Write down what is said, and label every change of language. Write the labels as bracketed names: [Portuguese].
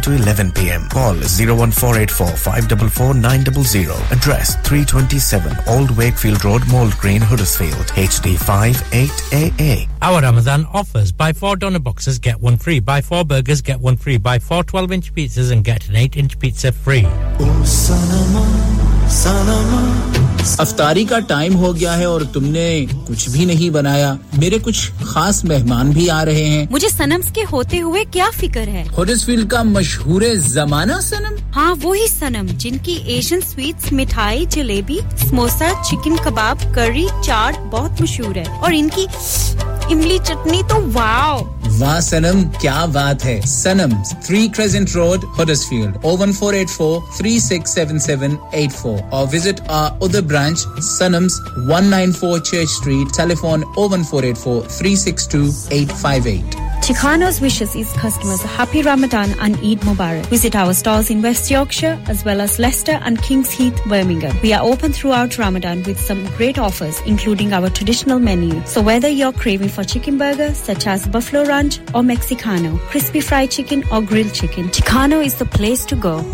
[English] to 11 p.m. Call 01484-544-900. Address 327 Old Wakefield Road, Mould Green, Huddersfield, HD58AA. Our Ramadan offers, buy 4 donor boxes, get 1 free. Buy 4 burgers, get 1 free. Buy 4 12-inch pizzas and get an 8-inch pizza free. Oh, Sanama, Sanama. [Hindi] अफ्तारी का time हो गया है और तुमने कुछ भी नहीं बनाया मेरे कुछ खास मेहमान भी आ रहे हैं मुझे सनम्स के होते हुए क्या फिकर है हडर्सफील्ड का मशहूर जमाना सनम हाँ वही सनम जिनकी एशियन स्वीट्स मिठाई जलेबी समोसा चिकन कबाब करी चाट बहुत मशहूर है और इनकी इमली चटनी तो वाव वाह सनम क्या बात है सनम 3 क्रेसेंट रोड हडर्सफील्ड 01484367784 और [English] visit our other branch [Hindi] Sunnams 194 Church Street telephone 01484 362 858. [English] Chicanos wishes its customers a happy Ramadan and Eid Mubarak. Visit our stores in West Yorkshire as well as Leicester and King's Heath, Birmingham. We are open throughout Ramadan with some great offers, including our traditional menu. So whether you're craving for chicken burger, such as Buffalo Ranch or Mexicano, crispy fried chicken or grilled chicken, Chicano is the place to go.